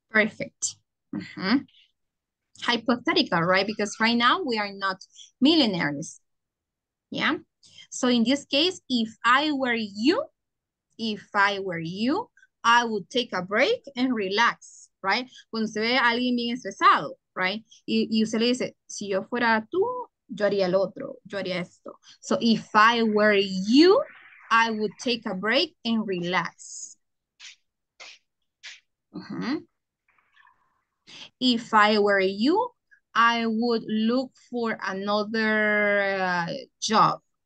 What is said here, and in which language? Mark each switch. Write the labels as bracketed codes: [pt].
[en] Perfect. Mm-hmm. Hypothetical, right? Because right now we are not millionaires. Yeah? So in this case, if I were you, I would take a break and relax. Right? [es] Cuando se ve a alguien bien estresado, [en] right? [es] Y usted le dice, si yo fuera tú, yo haría el otro, yo haría esto. [en] So if I were you, I would take a break and relax. Uh-huh. If I were you, I would look for another job.